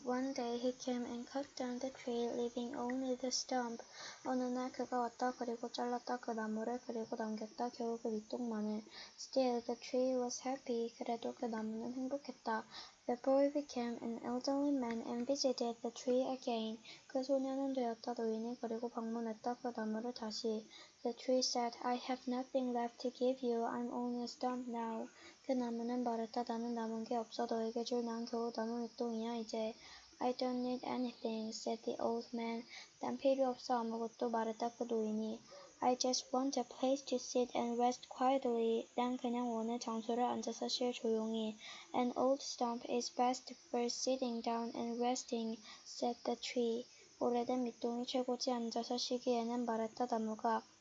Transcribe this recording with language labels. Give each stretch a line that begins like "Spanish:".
English: One day he came and cut down the tree, leaving only the stump.
Korean: 어느 날 그가 왔다 그리고 잘랐다 그 나무를 그리고 남겼다 겨우 그 밑둥만을.
English: Still the tree was happy.
Korean: 그래도 그 나무는 행복했다.
English: The boy became an elderly man and visited the tree again.
Korean: 그 소년은 되었다 노인이 그리고 방문했다 그 나무를 다시.
English: The tree said, I have nothing left to give you. I'm only a stump now.
Korean: 그 나무는 말했다. 나는 남은 게 없어. 너에게 줄 난 겨우 나무 밑둥이야 이제.
English: I don't need anything, said the old man.
Korean: 난 필요 없어. 아무것도 말했다 그 노인이.
English: I just want a place to sit and rest quietly.
Korean: 난 그냥 원해 장소를 앉아서 쉴 조용히.
English: An old stump is best for sitting down and resting, said the tree.
Korean: 오래된 밑둥이 최고지 앉아서 쉬기에는 말했다 나무가.